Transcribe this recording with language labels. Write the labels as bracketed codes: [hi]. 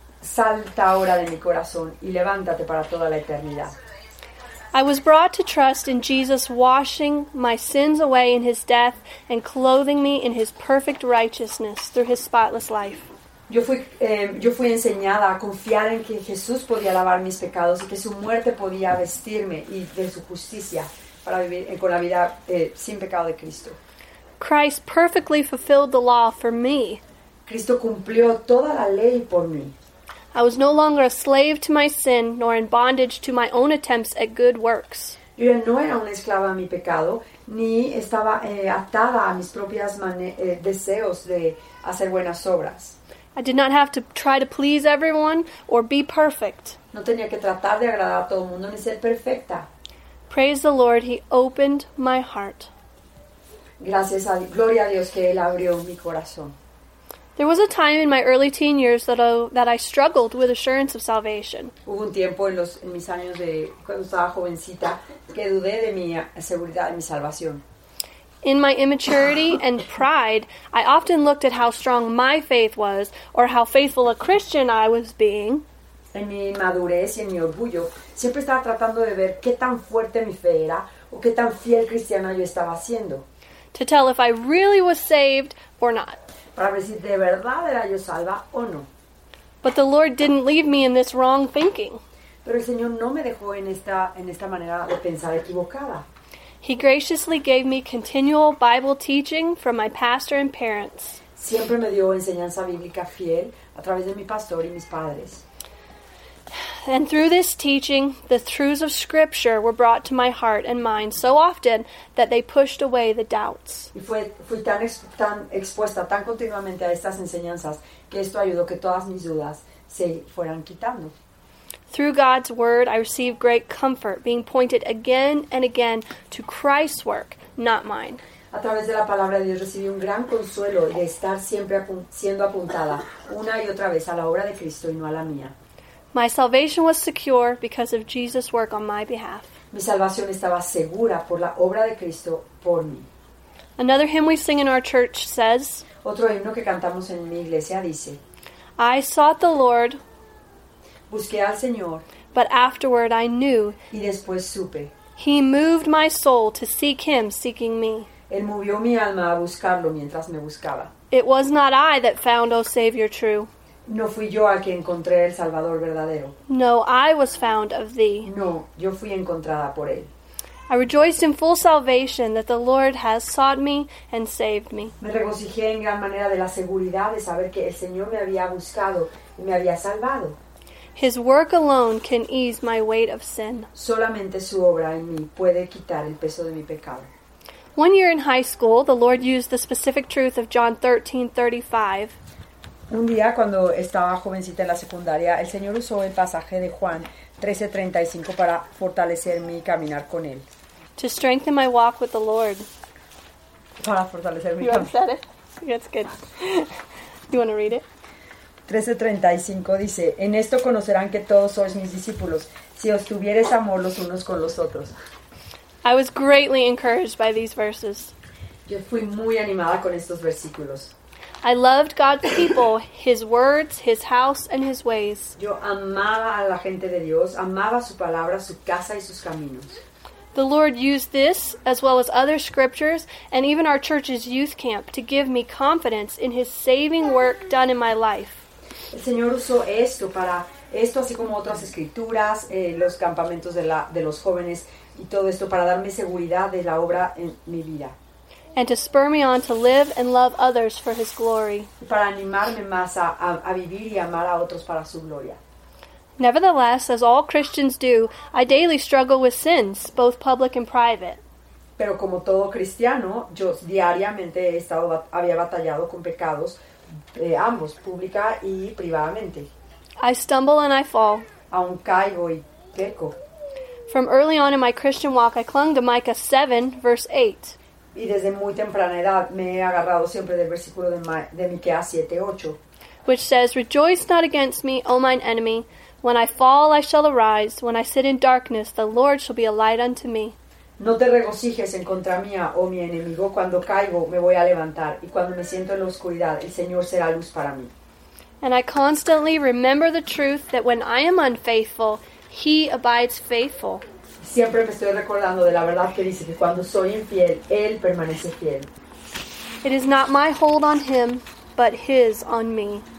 [es] Salta ahora de mi corazón y levántate para toda la eternidad. [en] I was brought to trust in Jesus washing my sins away in His death and clothing me in His perfect righteousness through His spotless life. [es] Yo fui enseñada a confiar en que Jesús podía lavar mis pecados y que su muerte podía vestirme y de su justicia para vivir con la vida sin pecado de Cristo. [en] Christ perfectly fulfilled the law for me. [es] Cristo cumplió toda la ley por mí. [en] I was no longer a slave to my sin, nor in bondage to my own attempts at good works. [es] Yo ya no era una esclava a mi pecado, ni estaba atada a mis propias deseos de hacer buenas obras. [en] I did not have to try to please everyone or be perfect. [es] No tenía que tratar de agradar a todo el mundo ni ser perfecta. [en] Praise the Lord, He opened my heart. [es] Gracias a gloria a Dios que Él abrió mi corazón. [en] There was a time in my early teen years that I struggled with assurance of salvation. [es] Hubo un tiempo en mis años de cuando estaba jovencita que dudé de mi seguridad de mi salvación. [en] In my immaturity and pride, I often looked at how strong my faith was or how faithful a Christian I was being. [es] En mi madurez y en mi orgullo, siempre estaba tratando de ver qué tan fuerte mi fe era o qué tan fiel cristiana yo estaba siendo. [en] To tell if I really was saved or not. [es] Para ver si de verdad era yo salva o no. [en] But the Lord didn't leave me in this wrong thinking. [es] Pero el Señor no me dejó en esta manera de pensar equivocada. [en] He graciously gave me continual Bible teaching from my pastor and parents. [es] Siempre me dio enseñanza bíblica fiel a través de mi pastor y mis padres. [en] And through this teaching, the truths of Scripture were brought to my heart and mind so often that they pushed away the doubts. [es] Y fui tan expuesta tan continuamente a estas enseñanzas que esto ayudó que todas mis dudas se fueran quitando. [en] Through God's Word, I received great comfort, being pointed again and again to Christ's work, not mine. [es] A través de la palabra de Dios recibí un gran consuelo de estar siempre siendo apuntada una y otra vez a la obra de Cristo y no a la mía. [en] My salvation was secure because of Jesus' work on my behalf. [es] Mi salvación estaba segura por la obra de Cristo por mí. [en] Another hymn we sing in our church says, [es] otro himno que cantamos en mi iglesia dice, [en] I sought the Lord, [es] busqué al Señor, [en] but afterward I knew, [es] y después supe, [en] He moved my soul to seek Him seeking me. [es] Él movió mi alma a buscarlo mientras me buscaba. [en] It was not I that found, O Savior, true. [es] No fui yo a quien encontré el Salvador verdadero. [en] No, I was found of Thee. [es] No, yo fui encontrada por Él. [en] I rejoiced in full salvation that the Lord has sought me and saved me. [es] Me regocijé en gran manera de la seguridad de saber que el Señor me había buscado y me había salvado. [en] His work alone can ease my weight of sin. [es] Solamente su obra en mí puede quitar el peso de mi pecado. [en] One year in high school, the Lord used the specific truth of John 13:35. [es] Un día, cuando estaba jovencita en la secundaria, el Señor usó el pasaje de Juan 13:35 para fortalecer mi caminar con Él. [en] To strengthen my walk with the Lord. [es] Para fortalecer mi caminar. [en] You want to say it? That's good. You want to read it? [es] 13:35 dice, en esto conocerán que todos sois mis discípulos, si os tuvieres amor los unos con los otros. [en] I was greatly encouraged by these verses. [es] Yo fui muy animada con estos versículos. [en] I loved God's people, his words, his house, and his ways. [es] Yo amaba a la gente de Dios, amaba su palabra, su casa y sus caminos. [en] The Lord used this, as well as other scriptures, and even our church's youth camp, to give me confidence in his saving work done in my life. [es] El Señor usó esto para esto, así como otras escrituras, los campamentos de los jóvenes, y todo esto para darme seguridad de la obra en mi vida. [en] And to spur me on to live and love others for his glory. [es] Para animarme más a vivir y amar a otros para su gloria. [en] Nevertheless, as all Christians do, I daily struggle with sins, both public and private. [es] Pero como todo cristiano, yo diariamente he estado, había batallado con pecados, ambos, pública y privadamente. [en] I stumble and I fall. [es] Aún caigo y peco. [en] From early on in my Christian walk, I clung to Micah 7, verse 8. [es] Y desde muy temprana edad me he agarrado siempre del versículo de Miqueas 7:8. [en] Which says, Rejoice not against me, O mine enemy. When I fall, I shall arise. When I sit in darkness, the Lord shall be a light unto me. [es] No te regocijes en contra mía, oh mi enemigo. Cuando caigo, me voy a levantar. Y cuando me siento en la oscuridad, el Señor será luz para mí. [en] And I constantly remember the truth that when I am unfaithful, he abides faithful. [es] Siempre me estoy recordando de la verdad que dice que cuando soy infiel, él permanece fiel. [en] It is not my hold on him, but his on me.